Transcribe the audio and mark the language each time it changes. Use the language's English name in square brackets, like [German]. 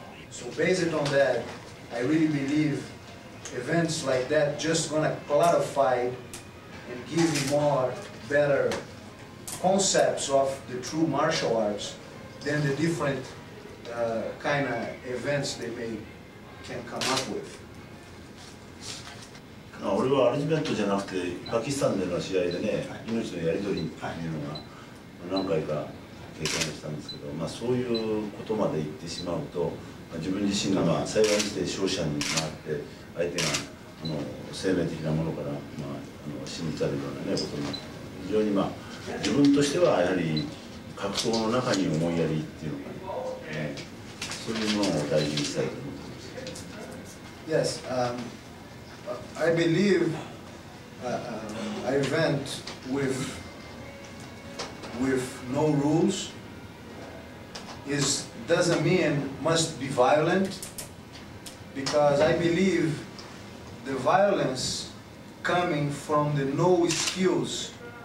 [English] So based on that, I really believe events like that just gonna clarify and give you more better concepts of the true martial arts than the different kind of events they may can come up with. [Japanese] 俺はアルジメントじゃなくてパキスタンでの試合でね、はい、命のやり取りっていうのが何回か経験したんですけど、まあ、そういうことまで行ってしまうと、まあ、自分自身が幸いにして勝者に回って相手が生命的なものから、まあ、死に至るような、ね、ことになって非常に、まあ、自分としてはやはり格闘の中に思いやりっていうのか、ね、そういうものを大事にしたいと思ってます。 [English] Yes, I believe an event with no rules doesn't mean must be violent, because I believe the violence coming from the no skills,